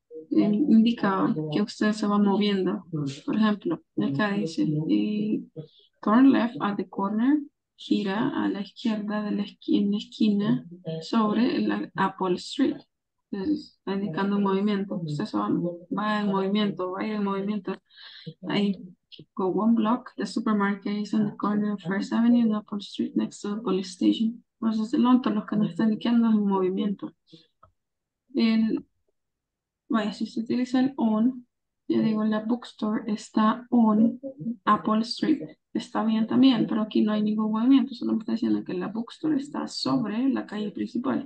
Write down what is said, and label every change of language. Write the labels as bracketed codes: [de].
[es] indica que usted se va moviendo. Por ejemplo, acá dice, [en] turn left at the corner, [es] gira a la izquierda de la esquina sobre la Apple Street. Entonces, está indicando un movimiento. Usted se va en movimiento, va en movimiento. Ahí, [en] go one block, the supermarket is on the corner of First Avenue and Apple Street next to the police station. [es] Entonces, el otro, lo que nos está indicando es un movimiento. Vaya, si se utiliza el on, ya digo, la bookstore está on Apple Street. Está bien también, pero aquí no hay ningún movimiento. Solo me está diciendo que la bookstore está sobre la calle principal.